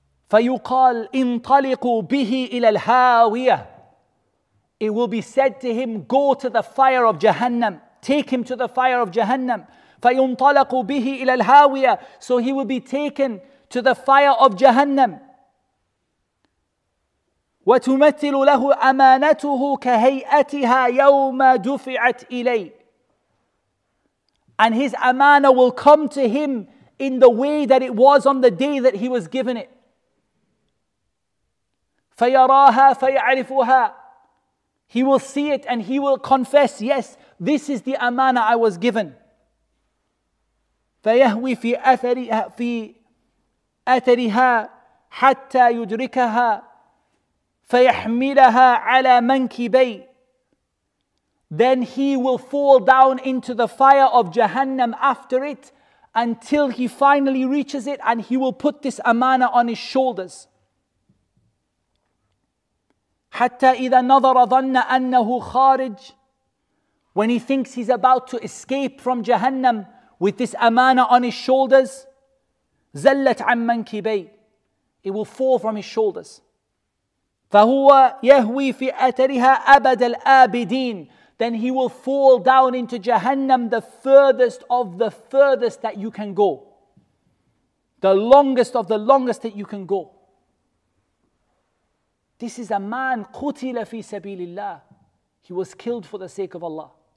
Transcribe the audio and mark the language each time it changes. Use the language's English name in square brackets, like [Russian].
[Arabic] فَيُقَالْ إِنْطَلِقُوا بِهِ إِلَى الْهَاوِيَةِ. [English] It will be said to him, go to the fire of Jahannam. Take him to the fire of Jahannam. [Arabic] فَيُنْطَلَقُوا بِهِ إِلَى الْهَاوِيَةِ. [English] So he will be taken to the fire of Jahannam. [Arabic] وتمثل له أمانته كهيئتها يوم دفعت إليه. [English] And his amana will come to him in the way that it was on the day that he was given it. [Arabic] فيراها فيعرفها. [English] He will see it and he will confess, yes, this is the amana I was given. [Arabic] فيهوي في أثرها في أثرها حتى يدركها فيحملها على منكبي. [English] Then he will fall down into the fire of Jahannam after it until he finally reaches it, and he will put this amana on his shoulders. [Arabic] حتى إذا نظر ظن أنه خارج. [English] When he thinks he's about to escape from Jahannam with this amana on his shoulders, [Arabic] زلت عن منكبي, [English] it will fall from his shoulders. [Arabic] فهو يهوي في أثرها أبد الآبدين. [English] Then he will fall down into Jahannam, the furthest of the furthest that you can go, the longest of the longest that you can go. This is a man, [Arabic] قُتِلَ فِي سَبِيلِ اللَّهِ, [English] he was killed for the sake of Allah.